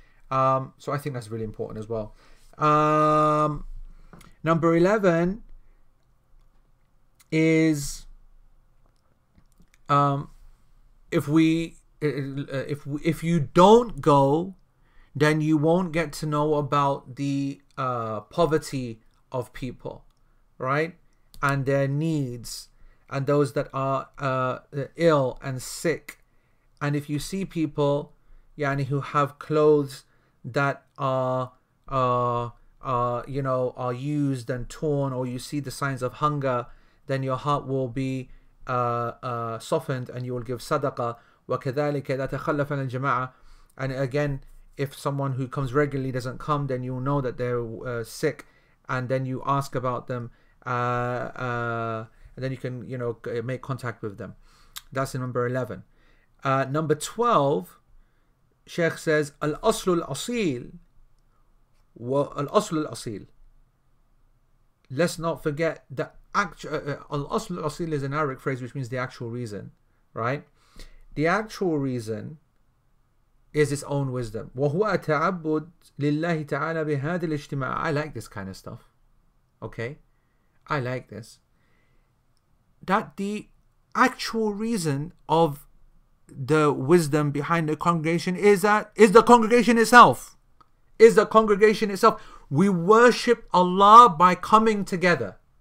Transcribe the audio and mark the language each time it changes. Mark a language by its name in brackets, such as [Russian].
[English] So I think that's really important as well. Number 11 is if you don't go, then you won't get to know about the poverty of people, right, and their needs, and those that are ill and sick. And if you see people, yani, who have clothes that are used and torn, or you see the signs of hunger, then your heart will be softened, and you will give sadaqah, [Arabic] وكذلك إذا تخلف عن الجماعة. [English] And again, if someone who comes regularly doesn't come, then you'll know that they're sick, and then you ask about them, and then you can, you know, make contact with them. That's number 11. Number 12, Sheikh says, [Arabic] الأصل الأصيل والأصل الأصيل. [English] Let's not forget that actual [Arabic] الأصل الأصيل [English] is an Arabic phrase which means the actual reason, right? The actual reason is its own wisdom. [Arabic] وهو تعبد لله تعالى بهذا الاجتماع. [English] I like this kind of stuff. Okay, I like this. That the actual reason of the wisdom behind the congregation is that is the congregation itself. Is the congregation itself. We worship Allah by coming together.